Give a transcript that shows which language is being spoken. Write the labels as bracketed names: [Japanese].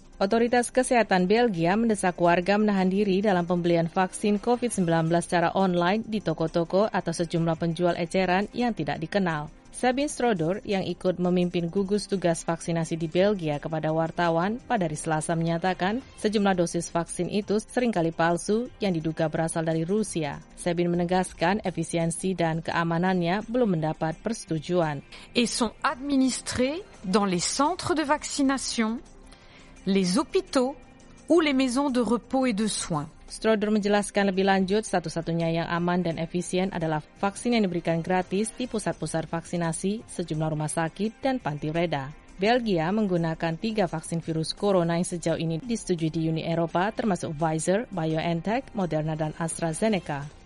[Indonesian] Otoritas Kesehatan Belgia mendesak warga menahan diri dalam pembelian vaksin COVID-19 secara online di toko-toko atau sejumlah penjual eceran yang tidak dikenal. Sabine Strodor yang ikut memimpin gugus tugas vaksinasi di Belgia kepada wartawan pada hari Selasa menyatakan sejumlah dosis vaksin itu seringkali palsu yang diduga berasal dari Rusia. Sabine menegaskan efisiensi dan keamanannya belum mendapat persetujuan. [French] Et sont administrés dans les centres de vaccination, les hôpitaux ou les maisons de repos et de soins. [Indonesian] Strodor menjelaskan lebih lanjut, satu-satunya yang aman dan efisien adalah vaksin yang diberikan gratis di pusat-pusat vaksinasi, sejumlah rumah sakit, dan panti reda. Belgia menggunakan 3 vaksin virus corona yang sejauh ini disetujui di Uni Eropa, termasuk Pfizer, BioNTech, Moderna, dan AstraZeneca.